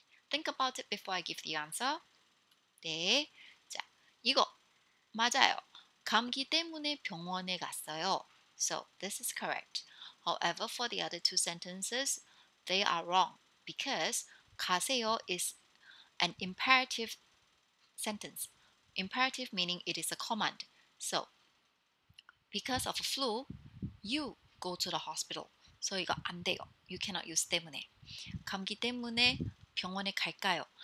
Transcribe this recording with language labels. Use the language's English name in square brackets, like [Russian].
[English] Think about it before I give the answer. [Korean] 네. 자, 이거 맞아요. 감기 때문에 병원에 갔어요. [English] So this is correct. However, for the other two sentences, they are wrong because 가세요 is an imperative sentence. Imperative meaning it is a command. So because of a flu, you go to the hospital. So [Korean] 이거 안 돼요. [English] You cannot use 때문에. [Korean] 감기 때문에 병원에 갈까요?